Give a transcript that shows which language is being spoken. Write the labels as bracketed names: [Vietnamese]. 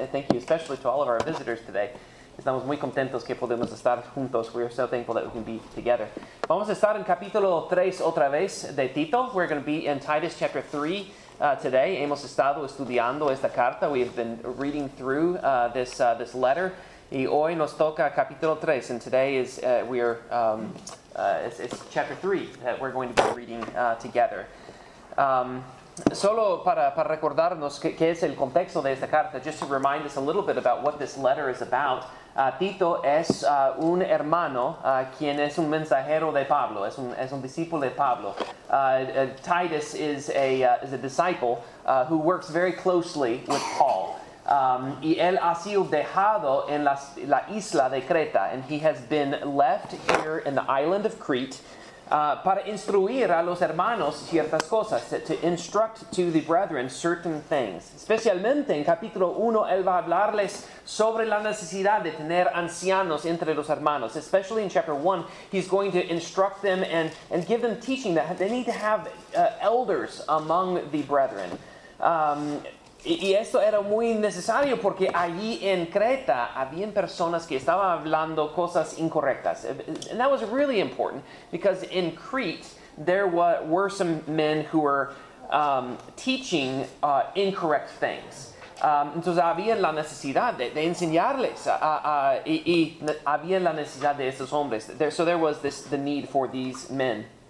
[English] Thank you especially to all of our visitors today. [Spanish] Estamos muy contentos que podemos estar juntos. [English] We are so thankful that we can be together. [Spanish] Vamos a estar en capítulo 3 otra vez de Tito. [English] We're going to be in Titus chapter 3. Today, [Spanish] hemos estado estudiando esta carta. [English] We have been reading through this letter. [Spanish] Y hoy nos toca capítulo 3. [English] And today is it's chapter 3 that we're going to be reading together. [Spanish] Solo para recordarnos qué es el contexto de esta carta. [English] Just to remind us a little bit about what this letter is about. [Spanish] Tito es un hermano quien es un mensajero de Pablo, es un discípulo de Pablo. [English] Titus is a disciple who works very closely with Paul. [Spanish] Y él ha sido dejado en la isla de Creta, [English] and he has been left here in the island of Crete [Spanish] para instruir a los hermanos ciertas cosas, [English] to instruct to the brethren certain things. [Spanish] Especialmente en capítulo 1, él va a hablarles sobre la necesidad de tener ancianos entre los hermanos. [English] Especially in chapter 1, he's going to instruct them and give them teaching that they need to have elders among the brethren. [Spanish] Y esto era muy necesario porque allí en Creta habían personas que estaban hablando cosas incorrectas. [English] And that was really important because in Crete there were some men who were teaching incorrect things. [Spanish] Entonces había la necesidad de enseñarles y había la necesidad de estos hombres. [English] So there was the need for these men.